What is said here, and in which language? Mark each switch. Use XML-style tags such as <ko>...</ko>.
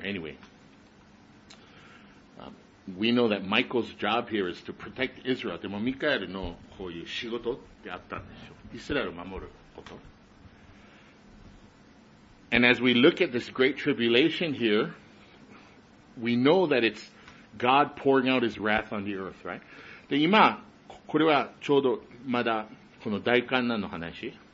<en>Anyway,、we know that Michael's job here is to protect Israel.</en> <ja>でも、ミカエルのこういう仕事ってあったんですよ。イスラエルを守ること。</ja> <en>And as we look at this great tribulation here, we know that it's God pouring out his wrath on the earth, right?</en> <ja>で、今、これはちょうどまだこの大患難の話。</ja>